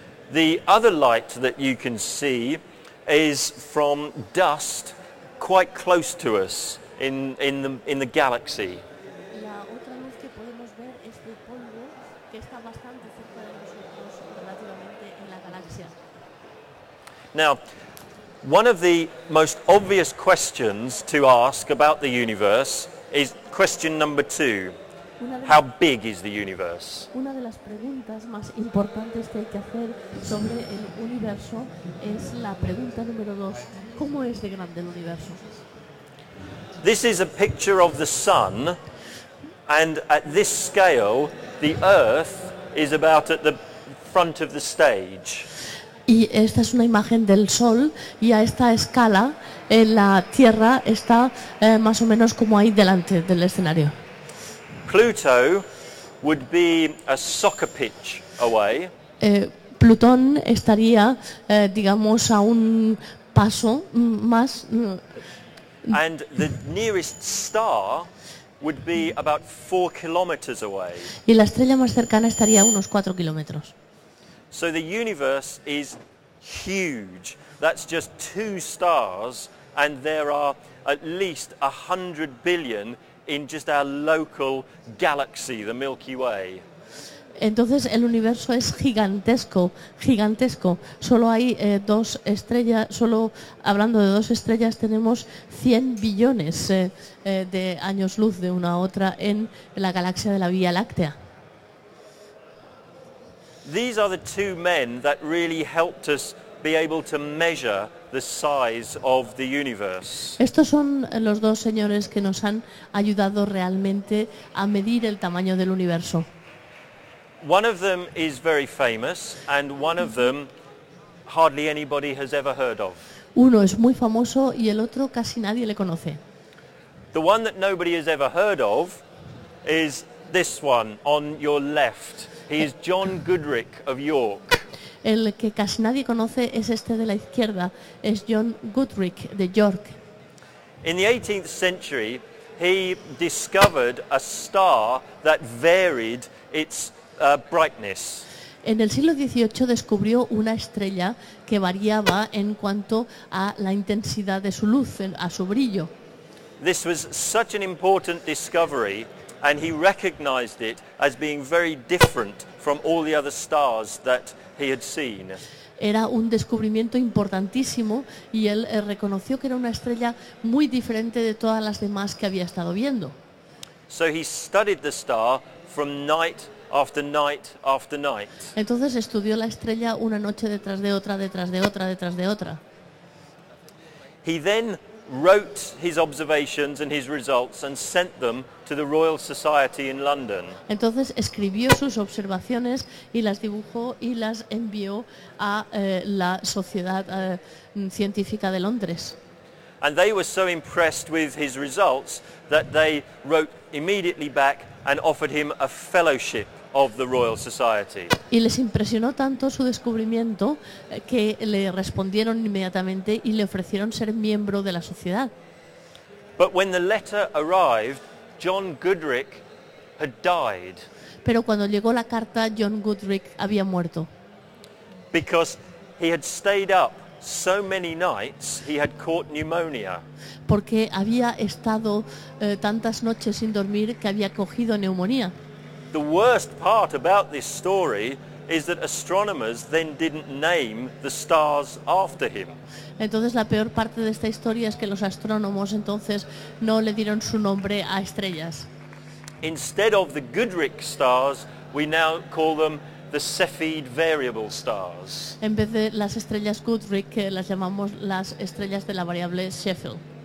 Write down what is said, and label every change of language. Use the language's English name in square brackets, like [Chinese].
[English] The other light that you can see is from dust quite close to us in the galaxy. [Spanish] La otra luz que podemos ver es de polvo que está bastante cerca de nosotros relativamente en la galaxia. [English] Now, one of the most obvious questions to ask about the universe is question number two. How big is the universe? [Spanish] Una de las preguntas más importantes que hay que hacer sobre el universo es la pregunta número dos. ¿Cómo es de grande el universo? [English] This is a picture of the sun, and at this scale, the Earth is about at the front of the stage. [Spanish] Y esta es una imagen del Sol, y a esta escala, la Tierra está más o menos como ahí delante del escenario. [English] Pluto would be a soccer pitch away. [Spanish] Plutón estaría, digamos, a un paso más. [English] And the nearest star would be about 4 kilometers away. [Spanish] Y la estrella más cercana estaría a unos 4 kilómetros. [English] So the universe is huge. That's just 2 stars, and there are at least 100 billion. In just our local galaxy, the Milky Way. [Spanish] Entonces el universo es gigantesco, gigantesco. Solo hay dos estrellas, solo hablando de dos estrellas tenemos 100 billones de años luz de una a otra en la galaxia de la Vía Láctea. [English] These are the two men that really helped us be able to measure the size of the universe. [Spanish] Estos son los dos señores que nos han ayudado realmente a medir el tamaño del universo. [English] One of them is very famous, and one of them hardly anybody has ever heard of. [Spanish] Uno es muy famoso y el otro casi nadie le conoce. [English] The one that nobody has ever heard of is this one on your left. He is John Goodrick of York. [Spanish] El que casi nadie conoce es este de la izquierda, es John Goodrick de York. [English] In the 18th century, he discovered a star that varied its brightness. [Spanish] En el siglo XVIII descubrió una estrella que variaba en cuanto a la intensidad de su luz, a su brillo. [English] This was such an important discovery, and he recognized it as being very different from all the other stars that he had seen. [Spanish] Era un descubrimiento importantísimo y él reconoció que era una estrella muy diferente de todas las demás que había estado viendo. [English] So he studied the star from night after night after night. [Spanish] Entonces estudió la estrella una noche detrás de otra, detrás de otra, detrás de otra. [English] He then wrote his observations and his results and sent them to the Royal Society in London. [Spanish] Entonces escribió sus observaciones y las dibujó y las envió a la Sociedad Científica de Londres. [English] And they were so impressed with his results that they wrote immediately back and offered him a fellowship of the Royal Society. [Spanish] Y les impresionó tanto su descubrimiento que le respondieron inmediatamente y le ofrecieron ser miembro de la sociedad. [English] But when the letter arrived, John Goodrick had died. [Spanish] Pero cuando llegó la carta, John Goodrick había muerto. [English] Because he had stayed up so many nights, he had caught pneumonia. [Spanish] Porque había estado tantas noches sin dormir que había cogido neumonía. [English] The worst part about this story is that astronomers then didn't name the stars after him. [Spanish] Entonces la peor parte de esta historia es que los astrónomos entonces no le dieron su nombre a estrellas. [English] Instead of the Goodrich stars, we now call them the Cepheid variable stars. [Spanish] En vez de las estrellas Goodrich, las llamamos las estrellas de la variable Cepheid.